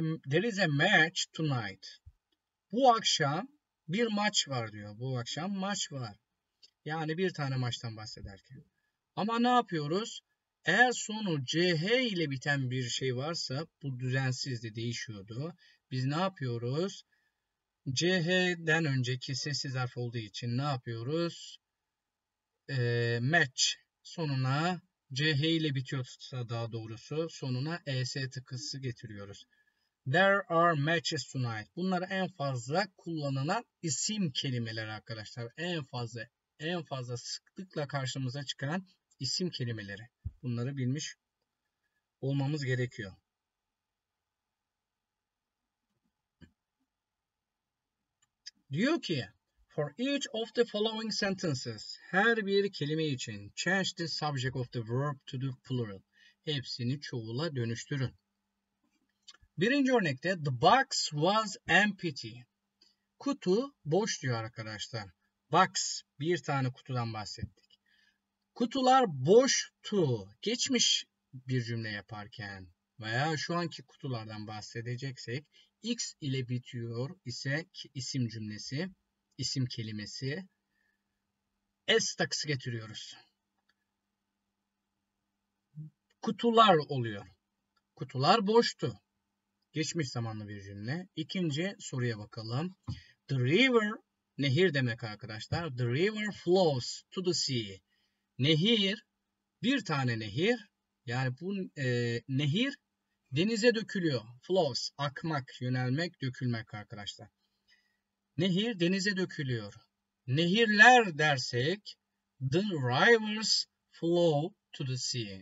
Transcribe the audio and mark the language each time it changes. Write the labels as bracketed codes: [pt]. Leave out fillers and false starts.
[en] There is a match tonight. [tr] Bu akşam bir maç var diyor. Bu akşam maç var. Yani bir tane maçtan bahsederken. Ama ne yapıyoruz? Eğer sonu CH ile biten bir şey varsa, bu düzensizdi, değişiyordu. Biz ne yapıyoruz? CH'den önceki sessiz harf olduğu için ne yapıyoruz? Match sonuna CH ile bitiyorsa, daha doğrusu sonuna ES takısı getiriyoruz. [en] There are matches tonight. [tr] Bunlar en fazla kullanılan isim kelimeleri arkadaşlar. En fazla sıklıkla karşımıza çıkan isim kelimeleri. Bunları bilmiş olmamız gerekiyor. Diyor ki, [en] for each of the following sentences, her bir kelime için change the subject of the verb to the plural. [tr] Hepsini çoğula dönüştürün. Birinci örnekte [en] the box was empty. [tr] Kutu boş diyor arkadaşlar. Box, bir tane kutudan bahsettik. Kutular boştu. Geçmiş bir cümle yaparken veya şu anki kutulardan bahsedeceksek, X ile bitiyor ise ki isim cümlesi, isim kelimesi, S takısı getiriyoruz. Kutular oluyor. Kutular boştu. Geçmiş zamanlı bir cümle. İkinci soruya bakalım. The river, nehir demek arkadaşlar. [en] The river flows to the sea. [tr] Nehir, bir tane nehir, yani bu nehir denize dökülüyor. Flows, akmak, yönelmek, dökülmek arkadaşlar. Nehir denize dökülüyor. Nehirler dersek, [en] the rivers flow to the sea.